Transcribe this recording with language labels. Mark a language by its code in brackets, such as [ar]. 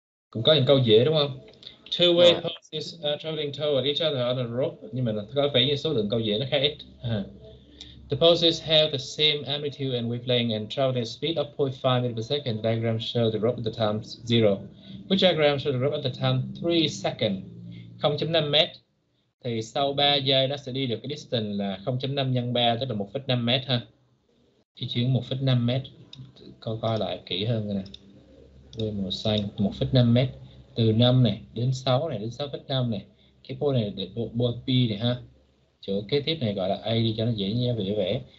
[vi] Cũng có những câu dễ đúng không? [en] Two wave horses traveling toward each other on a rope. [vi] Nhưng mà có vẻ như số lượng câu dễ nó khá ít. [en] The horses have the same amplitude and wavelength and travel at speed of 0.5 meters per second. Diagram show the rope at the time 0. Which diagram show the rope at the time 3 seconds? [vi] 0.5 mét. Thì sau 3 giây nó sẽ đi được cái distance là 0.5 nhân 3 tức là 1.5 mét ha. Đi chuyển 1.5 mét. Coi coi lại kỹ hơn nè. Quay màu xanh 1.5 mét. Từ 5 này đến 6 này đến 6.5 này. Cái point này để point B này ha. Chỗ kế tiếp này gọi là A đi cho nó dễ nhé, vẻ vẻ.